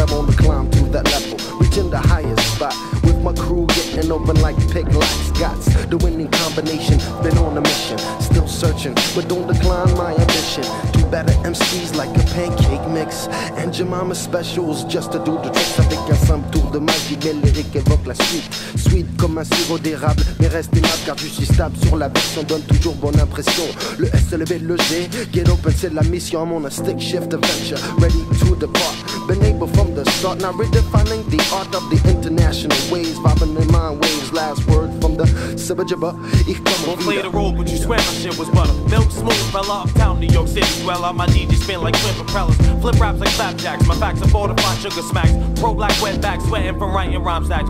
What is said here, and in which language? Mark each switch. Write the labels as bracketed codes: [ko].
[en] I'm on the climb to that level, reaching the highest spot. With my crew getting open like pick locks. Got the winning combination, been on a mission. Still searching, but don't decline my ambition. Do better MCs like a pancake mix. And your mama's specials just to do the tricks. [fr] Avec un simple tour de magie, les lyrics évoquent la suite. Sweet comme un sirop d'érable, mais reste aimable car je suis stable sur la version. Donne toujours bonne impression. Le S, le B, le G, [en] get open, [fr] c'est la mission. [en] I'm on a stick shift adventure, ready to depart. Been able from the start, now redefining the art of the international ways. Vibing in mind waves, last word from the Sibba Jibba. [de] Ich komme wieder. [en] Won't play the role, but you swear my shit was butter. Milk smooth, fell off town, New York City. Dwell on my DJ, spin like twin propellers. Flip raps like flapjacks, my facts are fortified, sugar smacks. Pro black wet back, sweating from writing rhyme stacks.